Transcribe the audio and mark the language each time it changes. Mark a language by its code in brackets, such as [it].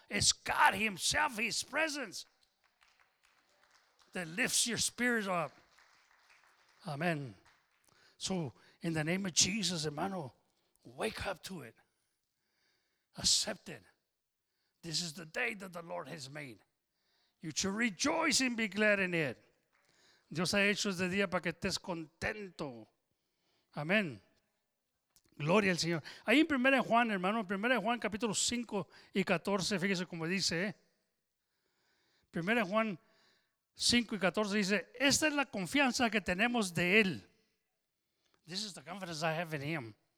[en] It's God himself, his presence, that lifts your spirit up. Amen. So In the name of Jesus, hermano, wake up to it. Accept it. This is the day that the Lord has made. You should rejoice and be glad in it. [es] Dios ha hecho este día para que estés contento. Amén. Gloria al Señor. Ahí en 1 Juan, hermano, 1 Juan capítulo 5 y 14, fíjese cómo dice. 1 Juan 5 y 14 dice, esta es la confianza que tenemos de Él. [en] This is the confidence I have in Him.